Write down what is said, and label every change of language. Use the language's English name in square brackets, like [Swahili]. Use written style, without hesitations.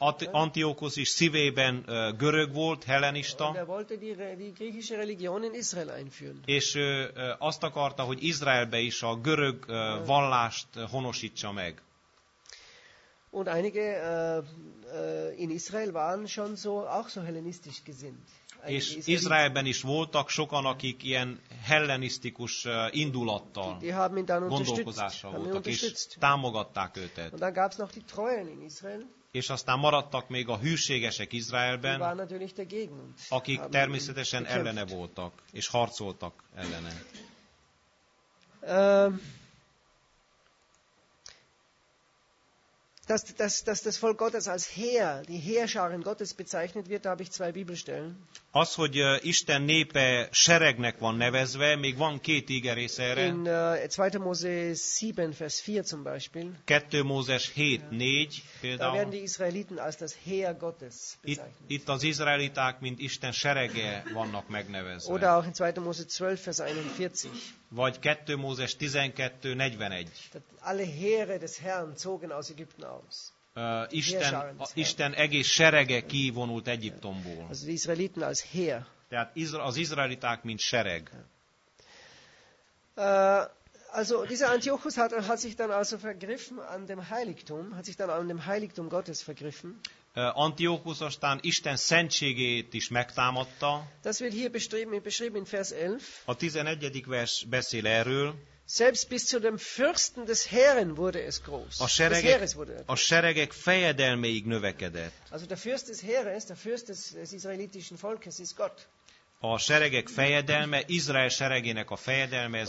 [Hungarian] Antiochus is szívében görög volt, hellenista. [German] Und er wollte die griechische Religion in Israel einführen. [Hungarian] És azt akarta, hogy Izraelbe is a görög vallást honosítsa meg. [German] Und einige in Israel waren schon so auch so hellenistisch gesinnt. [Hungarian] És Izraelben is voltak sokan, akik ilyen hellenisztikus indulattal gondolkozással voltak, és támogatták őtet. [German] Und dann gab's noch die Treuen in Israel, [Hungarian] és aztán maradtak még a hűségesek Izraelben, [German] die waren natürlich dagegen, [Hungarian] akik természetesen [German] gekämpft. [Hungarian] Ellene voltak, és harcoltak ellene. [German] Das Volk Gottes als Heer, die Heerscharen Gottes bezeichnet wird, da habe ich zwei Bibelstellen. [Hungarian] Az, hogy Isten népe seregnek van nevezve, még van két ígerész erre. [German] In 2. Mose 7, Vers 4 zum Beispiel. [Hungarian] 2. Mózes 7, 4 például. [German] Da werden die Israeliten als das Heer Gottes bezeichnet. [Hungarian] Itt az izraeliták, mint Isten serege vannak megnevezve. [German] Oder auch in 2. Mose 12, Vers 41. [Hungarian] Vagy 2. Mózes 12, 41. [German] Alle Heere des Herrn zogen aus Ägypten aus. [Hungarian] Isten egész serege kivonult Egyiptomból. [German] Az Izraeliten als Heer. [Hungarian] Tehát az izraeliták mint sereg. [German] Also dieser Antiochus hat sich dann also vergriffen an dem Heiligtum, hat sich dann an dem Heiligtum Gottes vergriffen. [Hungarian] Antiochus aztán Isten szentségét is megtámadta. [German] Das wird hier beschrieben in Vers 11. [Hungarian] A 11. vers beszél erről. [German] Selbst bis zu dem Fürsten des Herrn wurde es groß. [Hungarian] A seregek fejedelméig növekedett. [German] Also der Fürst des Heeres, der Fürst des israelitischen Volkes ist Gott. [Hungarian] A seregek fejedelme, Izrael seregének a fejedelme, ez